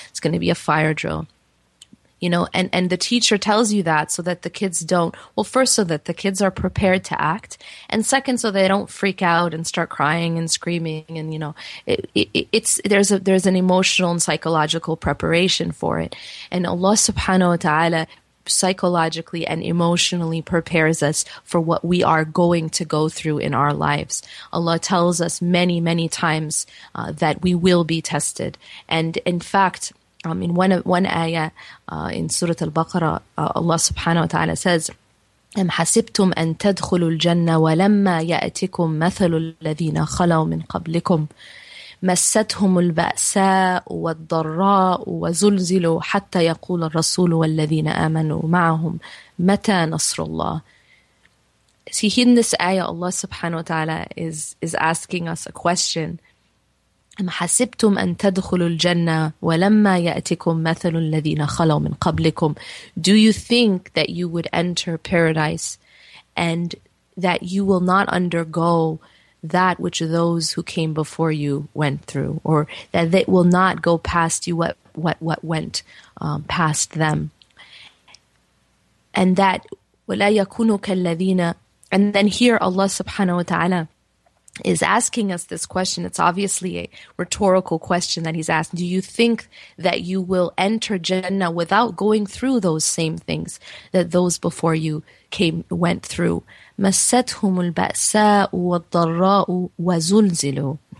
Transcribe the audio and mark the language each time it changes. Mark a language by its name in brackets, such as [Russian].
[English] It's going to be a fire drill. You know, and the teacher tells you that so that the kids don't, well, first so that the kids are prepared to act, and second so they don't freak out and start crying and screaming, and you know, there's an emotional and psychological preparation for it. And Allah subhanahu wa ta'ala psychologically and emotionally prepares us for what we are going to go through in our lives. Allah tells us many, many times that we will be tested. And in fact, in one ayah in Surah Al-Baqarah, Allah subhanahu wa ta'ala says, [Arabic] أَمْ حَسِبْتُمْ أَن تَدْخُلُوا الْجَنَّةَ وَلَمَّا يَأْتِكُمْ مَثَلُ الَّذِينَ خَلَوْا مِنْ قَبْلِكُمْ مَسَّتْهُمُ الْبَأْسَاءُ وَالضَّرَّاءُ وَزُلْزِلُوا حَتَّى يَقُولَ الرَّسُولُ وَالَّذِينَ آمَنُوا مَعَهُمْ مَتَى نَصْرُ اللَّهِ. [English] See, in this ayah, Allah subhanahu wa ta'ala is asking us a question. [Arabic] حَسِبْتُمْ أَن تَدْخُلُوا الْجَنَّةِ وَلَمَّا يَأْتِكُمْ مَثَلُ الَّذِينَ خَلَوْا مِنْ قَبْلِكُمْ. [English] Do you think that you would enter paradise and that you will not undergo that which those who came before you went through, or that they will not go past you what went past them? And that [Arabic] وَلَا يَكُونُوا كَالَّذِينَ. [English] And then here Allah subhanahu wa ta'ala is asking us this question. It's obviously a rhetorical question that he's asked. Do you think that you will enter Jannah without going through those same things that those before you went through? [Arabic] مَسَّتْهُمُ الْبَأْسَاءُ وَالضَّرَّاءُ وَزُلْزِلُوا.